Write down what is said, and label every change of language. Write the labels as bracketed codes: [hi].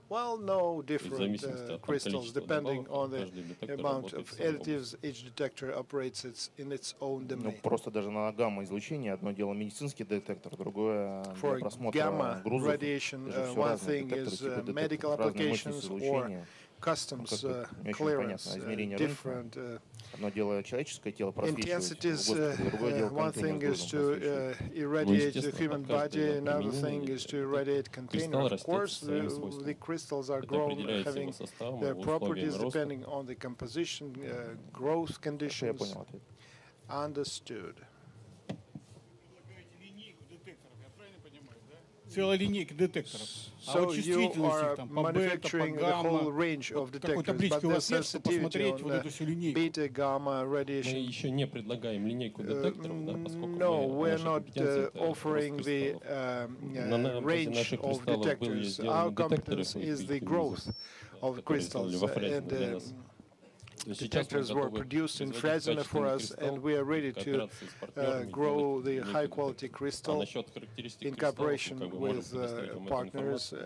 [en] Well, no different crystals, depending on the amount of additives. Each detector operates in its own domain. [ru] Просто даже на гамма излучение одно дело медицинский детектор, другое для просмотра грузов. [en] Radiation, one thing is medical applications or customs clearance. Different. [ru] Одно дело человеческое тело просвечивать, [en] one thing is to irradiate the human body, another thing is to irradiate container. Of course, the crystals are grown having their properties depending on the composition, growth conditions. Understood. [ru] Целая линейка детекторов. [en] So you are manufacturing the whole range of detectors, but the sensitivity on the beta, gamma, radiation. [ru] Мы еще не предлагаем линейку детекторов, да, поскольку [en] no, we're not offering the range of detectors. Our competence is the growth of crystals. And, detectors were produced in Fresno for us, and we are ready to grow the high-quality crystal in cooperation with partners.